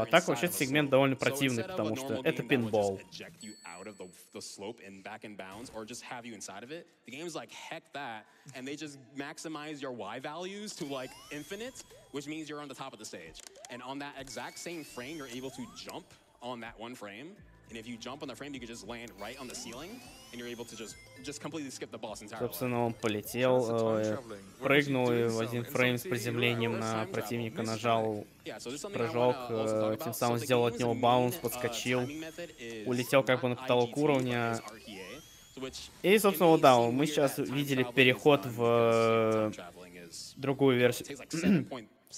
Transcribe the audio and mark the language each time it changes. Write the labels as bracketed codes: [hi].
[ru] А так вообще сегмент довольно противный, потому что это пинбол. [en] And if you jump on the frame, you could just land right on the ceiling, and you're able to just completely skip the boss entirely. [ru] Собственно, он полетел, прыгнул и в один фрейм с приземлением на противника нажал прыжок, тем самым сделал от него баунс, подскочил, улетел как бы на потолок уровня. И, собственно, вот, да, мы сейчас видели переход в другую версию.